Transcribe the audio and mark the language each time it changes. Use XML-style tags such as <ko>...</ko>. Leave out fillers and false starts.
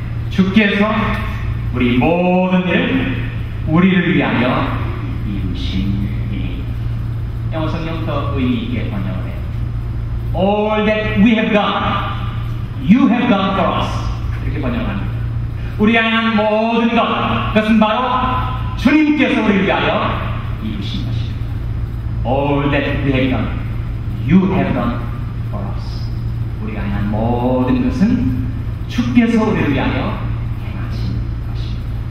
<ko>주께서 우리 모든 일을 우리를 위하여 이루심이. 영어 성경 더 의미 있게 번역을 해요.</ko> <en>All that we have done, you have done for us.</en> <ko>이렇게 번역합니다. 우리에 대한 모든 것, 그것은 바로 주님께서 우리를 위하여 이루신 것입니다.</ko> <en>All that we have done, you have done for us.</en> <ko>우리에 대한 모든 것은 주께서 우리를 위하여 행하신 것입니다.</ko>